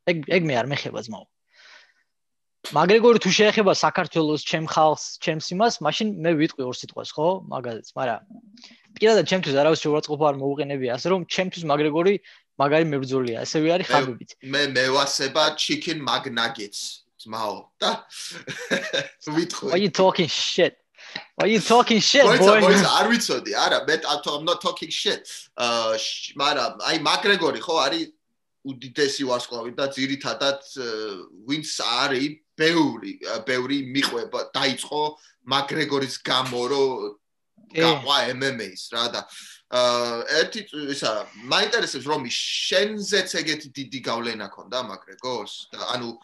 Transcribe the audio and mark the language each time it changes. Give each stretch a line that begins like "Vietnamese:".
Georgian: ეგ მე არ მეხება ზმაო. მაგრეგორი თუ შეეხება საქართველოს ჩემ ხალხს, ჩემს იმას, მაშინ მე ვიტყვი ორ სიტყვას, ხო? მაგალითს, მაგრამ პირადად ჩემთვის არავის შეურაცხყოფა არ მოუყენებია, ასე რომ ჩემთვის მაგრეგორი მაგარი მებრძოლია, ასევე არის ხაბიბიც. მე ვასება
English: chicken magnuggets,
Georgian: ზმაო. და ვიტყვი.
English: Are you talking shit? Are you talking shit, boy? Boys,
Georgian: არ ვიცოდი, არა, მე
English: I'm not talking shit.
Georgian: მაგრამ აი მაგრეგორი ხო არის უდიდესი ვარსკვლავი და ძირითადად ვინც არის ბევრი მიყვება დაიწყო მაგრეგორის გამო რო გაყვა MMA-ს რა და ერთი ისა მაინტერესებს რომ შენზეც ეგეთი დიდი გავლენა ქონდა მაგრეგორს და ანუ